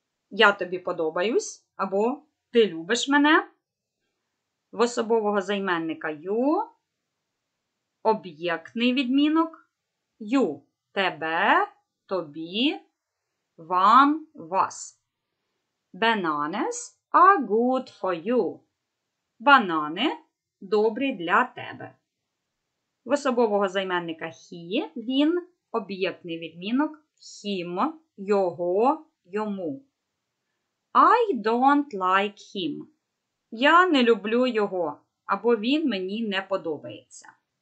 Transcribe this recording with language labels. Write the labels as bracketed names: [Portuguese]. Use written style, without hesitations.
[Ukrainian] Я тобі подобаюсь, або ти любиш мене? В особового займенника «you» об'єктний відмінок «you» – тебе, тобі, вам, вас. [English] Bananas are good for you. [Ukrainian] Банани – добрі для тебе. В особового займенника «he» – він об'єктний відмінок «him» – його, йому. [English] I don't like him. [Ukrainian] Я не люблю його, або він мені не подобається.